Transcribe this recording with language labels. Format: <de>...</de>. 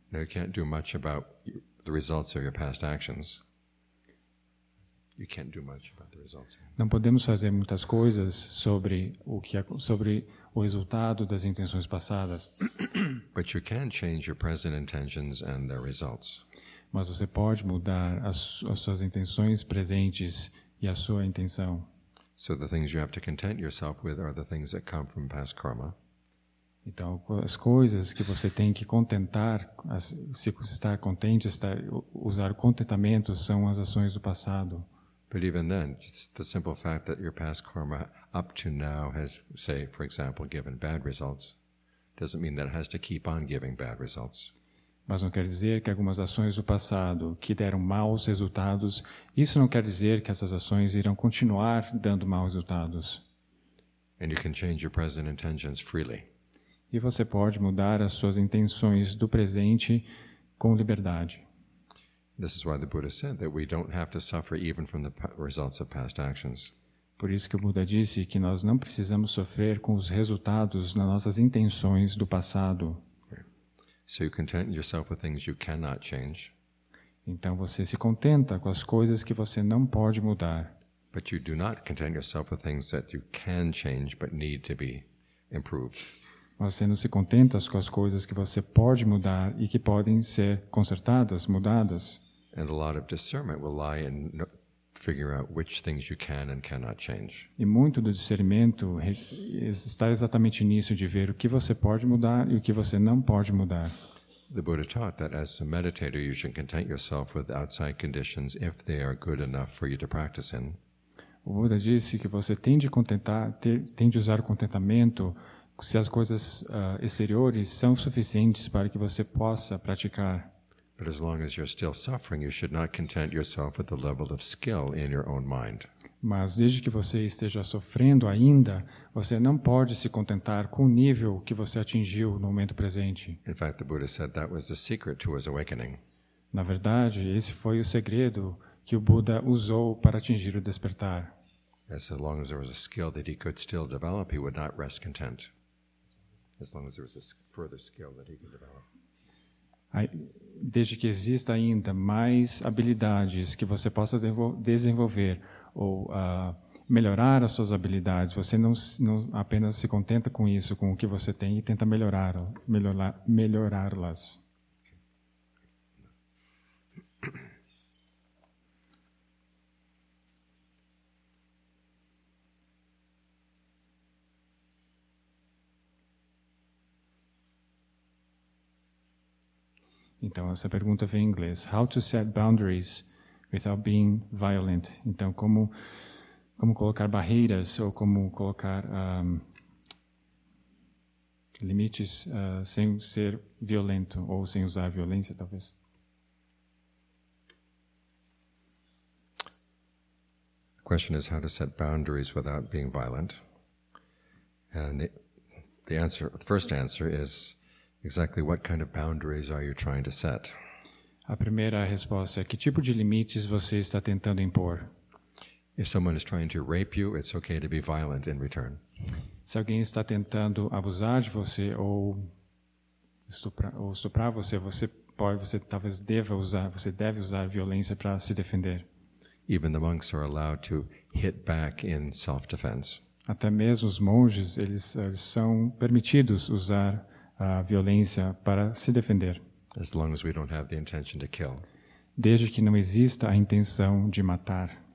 <en>Now you can't do much about the results of your past actions. You can't do much about the results.</en> <pt>Não podemos fazer muitas coisas sobre o resultado das intenções passadas.</pt> <en>But you can change your present intentions and their results.</en> <pt>Mas você pode mudar as suas intenções presentes e a sua intenção.</pt> <en>So the things you have to content yourself with are the things that come from past karma.</en> <pt>Então, as coisas que você tem que contentar, se estar contente, usar contentamento, são as ações do passado.</pt> <en>But even then, just the simple fact that your past karma up to now has, say, for example, given bad results, doesn't mean that it has to keep on giving bad results.</en> <pt>Mas não quer dizer que algumas ações do passado que deram maus resultados, isso não quer dizer que essas ações irão continuar dando maus resultados.</pt> <en>And you can change your present intentions freely.</en> <pt>E você pode mudar as suas intenções do presente com liberdade.</pt> <en>This is why the Buddha said that we don't have to suffer even from the results of past actions.</en> <pt>Por isso que o Buda disse que nós não precisamos sofrer com os resultados nas nossas intenções do passado.</pt> <en>So you content yourself with things you cannot change.</en> <pt>Então você se contenta com as coisas que você não pode mudar.</pt> <en>But you do not content yourself with things that you can change but need to be improved.</en> <pt>Você não se contenta com as coisas que você pode mudar e que podem ser consertadas, mudadas.</pt> <en>And a lot of discernment will lie in figure out which things you can and cannot change.</en> <pt>E muito do discernimento está exatamente nisso, de ver o que você pode mudar e o que você não pode mudar.</pt> <en>The Buddha taught that as a meditator you should content yourself with outside conditions if they are good enough for you to practice in.</en> <pt>O Buda disse que você tem de contentar, tem de usar o contentamento se as coisas exteriores são suficientes para que você possa praticar.</pt> <en>But as long as you're still suffering, you should not content yourself with the level of skill in your own mind.</en> <pt>Mas desde que você esteja sofrendo ainda, você não pode se contentar com o nível que você atingiu no momento presente.</pt> <en>In fact, the Buddha said that was the secret to his awakening.</en> <pt>Na verdade, esse foi o segredo que o Buda usou para atingir o despertar.</pt> <en>As long as there was a skill that he could still develop, he would not rest content. As long as there was a further skill that he could develop.</en> <pt>Desde que exista ainda mais habilidades que você possa desenvolver ou melhorar as suas habilidades, você não apenas se contenta com isso, com o que você tem, e tenta melhorá-las. Então, essa pergunta vem em inglês.</pt> <en>How to set boundaries without being violent?</en> <pt>Então, como colocar barreiras ou como colocar limites sem ser violento ou sem usar violência, talvez?</pt> <en>The question is how to set boundaries without being violent. And the first answer is exactly what kind of boundaries are you trying to set?</en> <pt>A primeira resposta é: que tipo de limites você está tentando impor?</pt> <en>If someone is trying to rape you, it's okay to be violent in return.</en> <pt>Se alguém está tentando abusar de você ou estuprar você, você deve usar violência para se defender.</pt> <en>Even the monks are allowed to hit back in self-defense.</en> <pt>Até mesmo os monges, eles são permitidos usar a violência para se defender.</pt> <en>As long as we don't have the intention to kill.</en> <pt>Desde que não exista a intenção de matar.</pt>